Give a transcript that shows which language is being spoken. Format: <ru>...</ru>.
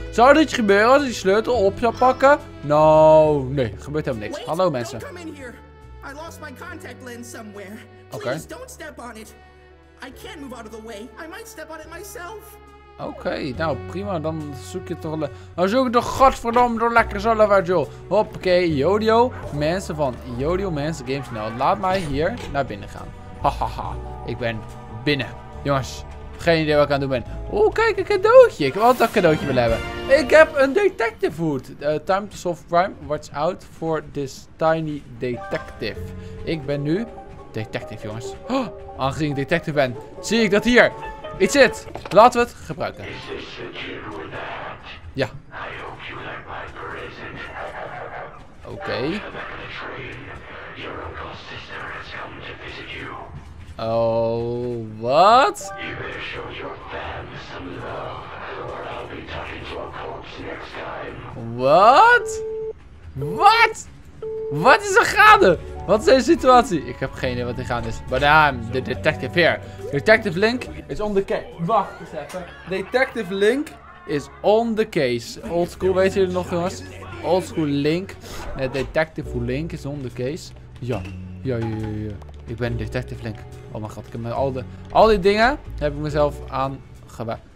<nl>Zou dit gebeuren als ik die sleutel op zou pakken? Nou, nee. Gebeurt helemaal niks.</nl> <en>Wait,</en> <nl>hallo, mensen.</nl> <en>Don't come in here. I lost my contact lens somewhere. Okay. Please don't step on it. I can't move out of the way. I might step on it myself.</en> <nl>Oké, nou prima, dan zoek je toch wel. Dan zoek je toch godverdomme door lekker zelf uit, joh. Hoppakee, Yodio, mensen van Yodio Mans GameSnel. Laat mij hier naar binnen gaan. Hahaha, ik ben binnen. Jongens, geen idee wat ik aan het doen ben. Oeh, kijk, een cadeautje. Ik wil altijd een cadeautje willen hebben. Ik heb een detective hoed.</nl> <en>Time to solve crime. Watch out for this tiny detective.</en> <nl>Ik ben nu detective, jongens. Oh, aangezien ik detective ben, zie ik dat hier.</nl> <en>It's it.</en> <nl>Laten we het gebruiken.</nl> <en>Is this the kid with the hat?</en> <nl>Ja.</nl> <en>I hope you like my present. Okay. The train. Your uncle's sister has come to visit you. Oh, what? You better show your fam some love, or I'll be talking to a corpse next time. What? What?</en> <nl>Wat is er gaande? Wat is deze situatie? Ik heb geen idee wat er gaande is.</nl> <en>But I'm the detective here. Detective Link is on the case.</en> <nl>Wacht eens even.</nl> <en>Detective Link is on the case.</en> <nl>Old school, weet je het nog, jongens?</nl> <en>Old school Link. Detective Link is on the case.</en> <nl>Ja. Ja. Ik ben Detective Link. Oh mijn god, ik heb met al die dingen heb ik mezelf aangewerkt.</nl>